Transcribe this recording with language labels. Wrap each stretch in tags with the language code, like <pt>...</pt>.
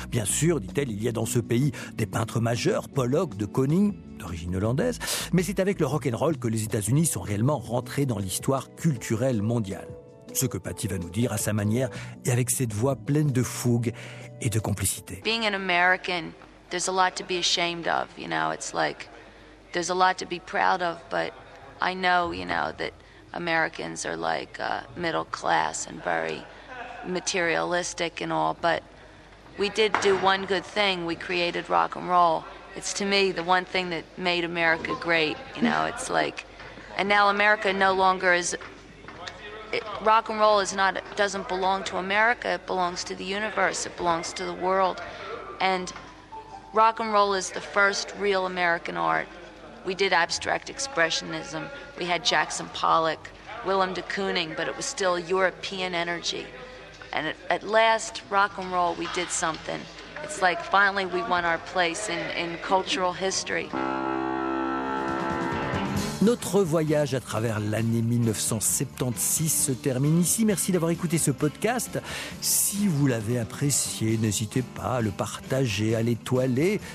<fr>Bien sûr, dit-elle, il y a dans ce pays des peintres majeurs, Pollock, de Kooning, d'origine hollandaise, mais c'est avec le rock'n'roll que les États-Unis sont réellement rentrés dans l'histoire culturelle mondiale. Ce que Patti va nous dire à sa manière et avec cette voix pleine de fougue et de complicité.</fr> <en>Being an American, there's a lot to be ashamed of, you know. It's like there's a lot to be proud of, but I know, you know, that Americans are like middle class and very materialistic and all, but we did do one good thing. We created rock and roll. It's to me the one thing that made America great, you know. It's like, and now America no longer is. Rock and roll doesn't belong to America, it belongs to the universe, it belongs to the world. And rock and roll is the first real American art. We did abstract expressionism, we had Jackson Pollock, Willem de Kooning, but it was still European energy. And at last, rock and roll, we did something. It's like finally we won our place in cultural history.</en> <fr>Notre voyage à travers l'année 1976 se termine ici. Merci d'avoir écouté ce podcast. Si vous l'avez apprécié, n'hésitez pas à le partager, à l'étoiler.</fr>